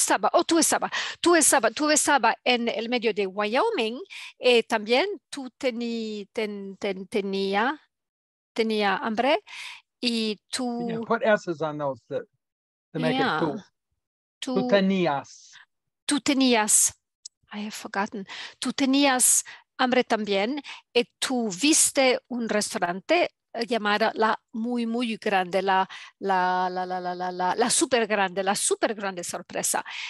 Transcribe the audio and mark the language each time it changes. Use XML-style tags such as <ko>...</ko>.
<es>Tú estabas en el medio de Wyoming, y también tú tenía hambre, y tú...</es> <en>Yeah, put S's on those to make yeah. it cool.</en> <es>Tú tenías hambre también, y tú viste un restaurante llamada la muy muy grande, la super grande sorpresa.</es>